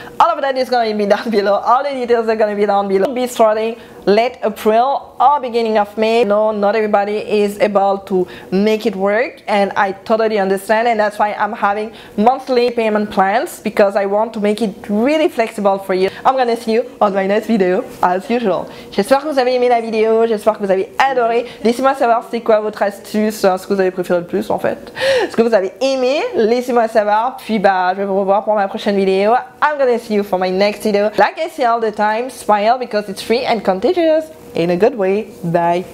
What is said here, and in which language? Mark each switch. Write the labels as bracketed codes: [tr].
[en] All of that is going to be down below. All the details are going to be down below. Be starting late April or beginning of May. No, not everybody is able to make it work, and I totally understand, and that's why I'm having monthly payment plans, because I want to make it really flexible for you. I'm gonna see you on my next video as usual. [fr] J'espère que vous avez aimé la vidéo, j'espère que vous avez adoré. Laissez-moi savoir c'est quoi votre astuce, ce que vous avez préféré le plus en fait. Ce que vous avez aimé, laissez-moi savoir. Puis bah, je vais vous revoir pour ma prochaine vidéo. [en] I'm gonna see you for my next video. Like I say all the time, smile because it's free and contagious in a good way. Bye.